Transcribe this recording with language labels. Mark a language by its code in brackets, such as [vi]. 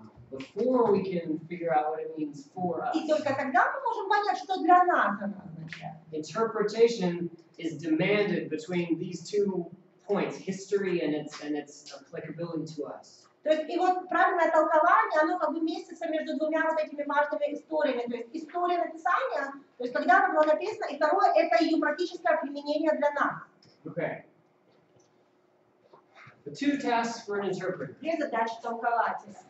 [en] Before we can figure out what it means for us. [ru] И только тогда мы можем понять, что для нас оно означает. [en] Interpretation is demanded between these two points, history and its applicability to us. [ru] То есть и вот правильное толкование, оно как бы месяца между двумя вот этими важными историями. То есть история написания, то есть когда оно было написано, и второе — это ее практическое применение для нас. [en] Okay. The two tasks for an interpreter. [ru] Две задачи толкователя.